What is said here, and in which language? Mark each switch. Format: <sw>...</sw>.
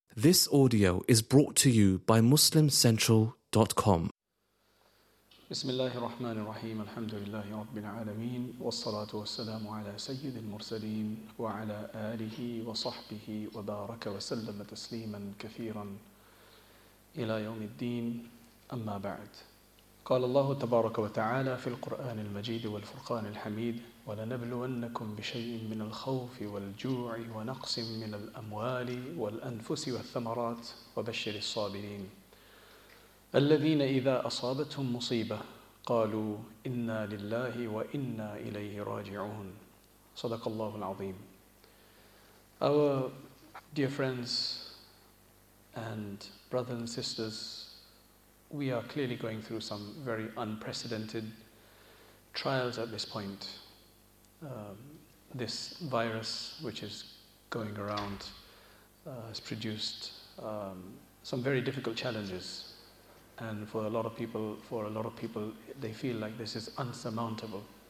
<en>This audio is brought to you by MuslimCentral.com.</en> <ar>بسم الله الرحمن الرحيم الحمد لله رب العالمين والصلاة والسلام على سيد المرسلين وعلى آله وصحبه وبارك وسلم تسليما كثيرا إلى يوم الدين أما بعد قال الله تبارك وتعالى في القرآن المجيد والفرقان الحميد ولنبلونكم بشيء من الخوف والجوع ونقص من الأموال والأنفس والثمرات وبشر الصابرين الذين إذا أصابتهم مصيبة قالوا إنا لله وإنا إليه راجعون صدق الله العظيم.</ar> <en>Our dear friends and brothers and sisters, we are clearly going through some very unprecedented trials at this point. This virus which is going around has produced some very difficult challenges, and for a lot of people they feel like this is insurmountable.</en>